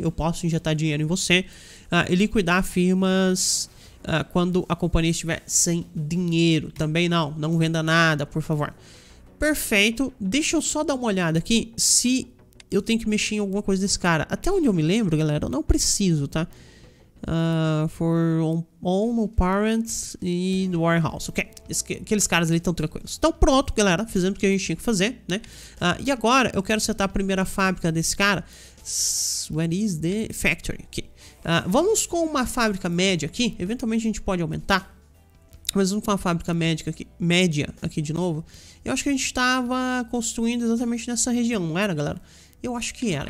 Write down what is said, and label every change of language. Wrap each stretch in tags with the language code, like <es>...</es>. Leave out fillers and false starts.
<pt>Eu posso injetar dinheiro em você. E liquidar firmas quando a companhia estiver sem dinheiro. Também não. Não venda nada, por favor. Perfeito. Deixa eu só dar uma olhada aqui se... eu tenho que mexer em alguma coisa desse cara. Até onde eu me lembro, galera, eu não preciso, tá?</pt> <en>For all parents e the warehouse.</en> <pt>Ok, aqueles caras ali estão tranquilos. Então pronto, galera, fizemos o que a gente tinha que fazer, né? E agora eu quero setar a primeira fábrica desse cara.</pt> <en>Where is the factory? Okay.</en> <pt>Vamos com uma fábrica média aqui. Eventualmente a gente pode aumentar. Mas vamos com uma fábrica média aqui de novo. Eu acho que a gente estava construindo exatamente nessa região, não era, galera? Eu acho que era.</pt>